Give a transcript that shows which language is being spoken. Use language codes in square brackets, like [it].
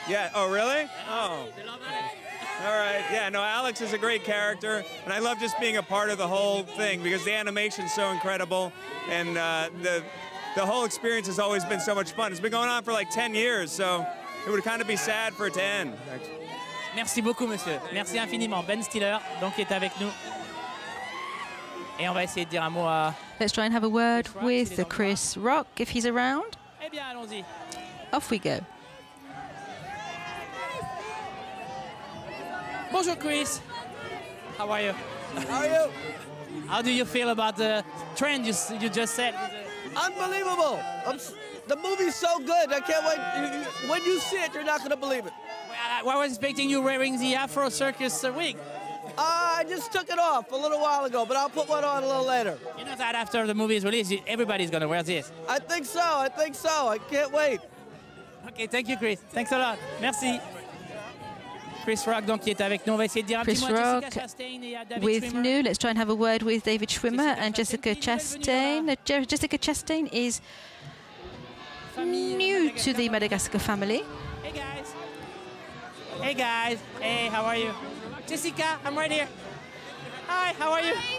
[en] Yeah. Oh, really? Oh. They love Alex. All right. Yeah, no, Alex is a great character, and I love just being a part of the whole thing because the animation's so incredible, and the whole experience has always been so much fun. It's been going on for like 10 years, so it would kind of be sad for it to end. [fr] Merci beaucoup, monsieur. Merci infiniment. Ben Stiller, donc, est avec nous. Et on va essayer de dire un mot à... [en] Let's try and have a word with Chris Rock, if he's around. [fr] Eh bien, allons-y. [en] Off we go. [fr] Bonjour, Chris. [en] How are you? How are you? How do you feel about the trend you just said? Unbelievable. The movie's so good. I can't wait. When you see it, you're not going to believe it. Well, I was expecting you wearing the Afro Circus wig. I just took it off a little while ago, but I'll put one on a little later. You know that after the movie is released, everybody's going to wear this. I think so. I can't wait. Okay, thank you, Chris. Thanks a lot. [fr] Merci. Chris Rock, donc, qui est avec nous. On va essayer de dire un [en] Chris [fr] petit [en] Rock [fr] mot à Jessica Chastain et à David [en] with [fr] Schwimmer. [en] New. Let's try and have a word with David Schwimmer Jessica Chastain. Jessica Chastain is new to the Madagascar family. Hey, guys. Hey, how are you? Jessica, I'm right here. Hi, how are you?